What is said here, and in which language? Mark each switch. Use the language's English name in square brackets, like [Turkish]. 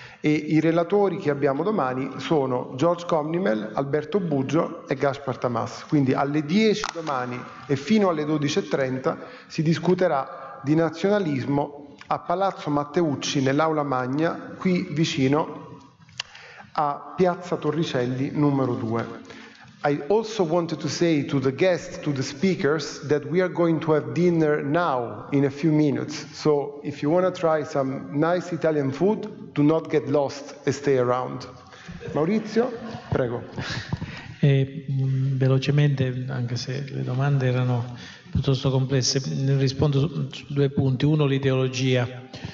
[Italian] E i relatori che abbiamo domani sono George Comnimel, Alberto Buggio e Gaspar Tamas. Quindi alle 10 domani e fino alle 12.30 si discuterà di nazionalismo a Palazzo Matteucci, nell'Aula Magna, qui vicino a Piazza Torricelli numero 2. [English] I also wanted to say to the guests, to the speakers, that we are going to have dinner now in a few minutes. So if you want to try some nice Italian food, do not get lost and stay around. [Italian] Maurizio, prego. Velocemente, anche se le domande erano piuttosto complesse, ne rispondo su due punti. Uno, l'ideologia.